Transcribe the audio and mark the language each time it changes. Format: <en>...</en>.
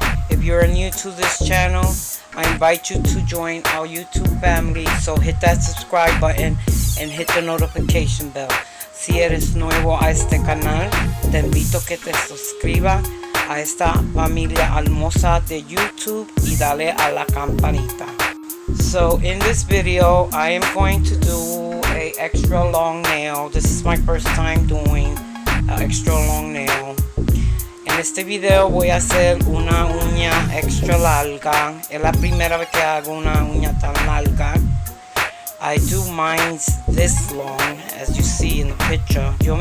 <en>If you're new to this channel, I invite you to join our YouTube family. So hit that subscribe button and hit the notification bell.</en> <es>Si eres nuevo a este canal, te invito a que te suscribas a esta familia hermosa de YouTube y dale a la campanita.</es> <en>So in this video, I am going to do an extra long nail. This is my first time doing an extra long nail.</en> <es>En este video voy a hacer una uña extra larga. Es la primera vez que hago una uña tan larga.</es> <en>I do mine this long, as you see in the picture.</en>